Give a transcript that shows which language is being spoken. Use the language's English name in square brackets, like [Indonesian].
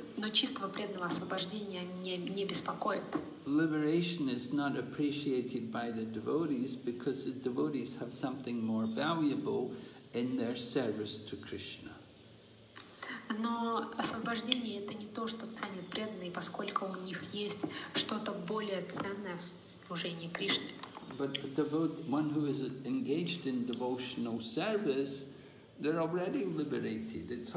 [Russian] но чистого преданного освобождения не беспокоит. [English] Liberation is not appreciated by the devotees because the devotees have something more valuable in their service to Krishna. [Russian] Но освобождение это не то, что ценят преданные, поскольку у них есть что-то более ценное в служении Кришне. [English] But a devotee, one who is engaged in devotional service, they're already liberated.